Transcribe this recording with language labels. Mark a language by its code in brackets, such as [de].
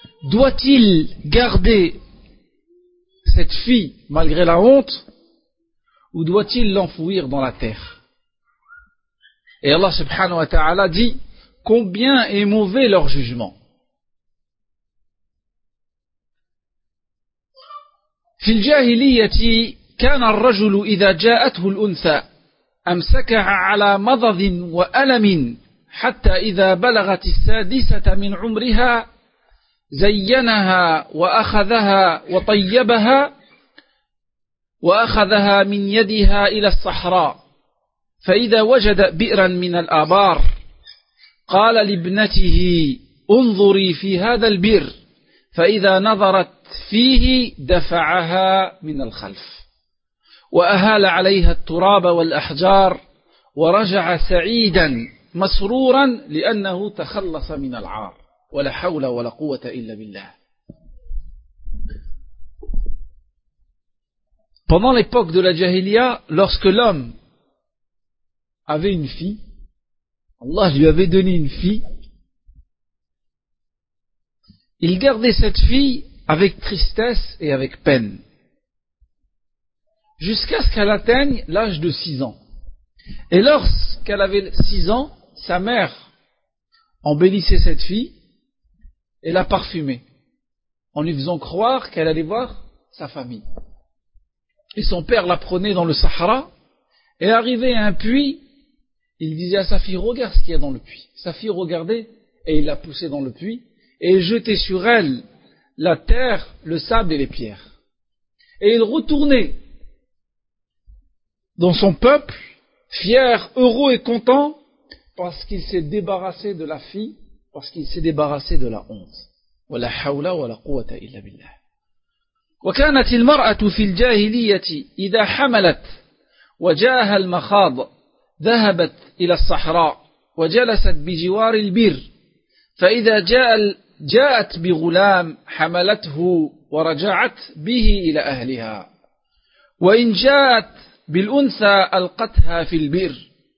[fr] Doit-il garder cette fille malgré la honte ou doit-il l'enfouir dans la terre ? Et Allah subhanahu wa ta'ala dit « Combien est mauvais leur jugement ? » [ar] في الجاهلية كان الرجل إذا جاءته الأنثى أمسكها على مضض وألم حتى إذا بلغت السادسة من عمرها زينها وأخذها وطيبها وأخذها من يدها إلى الصحراء، فإذا وجد بئرا من الآبار قال لابنته انظري في هذا البئر، فإذا نظرت فيه دفعها من الخلف وأهال عليها التراب والأحجار ورجع سعيدا مسرورا لأنه تخلص من العار. ولا حول ولا قوة إلا بالله. [fr] Pendant l'époque de la Jahiliya, lorsque l'homme avait une fille, Allah lui avait donné une fille, il gardait cette fille avec tristesse et avec peine, jusqu'à ce qu'elle atteigne l'âge de 6 ans. Et lorsqu'elle avait 6 ans, sa mère embellissait cette fille et la parfumait, en lui faisant croire qu'elle allait voir sa famille. Et son père la prenait dans le Sahara, et arrivé à un puits, il disait à sa fille, regarde ce qu'il y a dans le puits. Sa fille regardait, et il la poussait dans le puits, et jetait sur elle la terre, le sable et les pierres. Et il retournait dans son peuple, fier, heureux et content, parce qu'il s'est débarrassé de la fille, parce qu'il s'est débarrassé de la honte. [ar] Wa la hawla wa la quwwata illa billah. وكانت المرأة في الجاهلية إذا حملت وجاءها المخاض ذهبت إلى الصحراء وجلست بجوار البير، فإذا جاءت بغلام حملته ورجعت به إلى أهلها، وإن جاءت بالأنثى ألقتها في البير.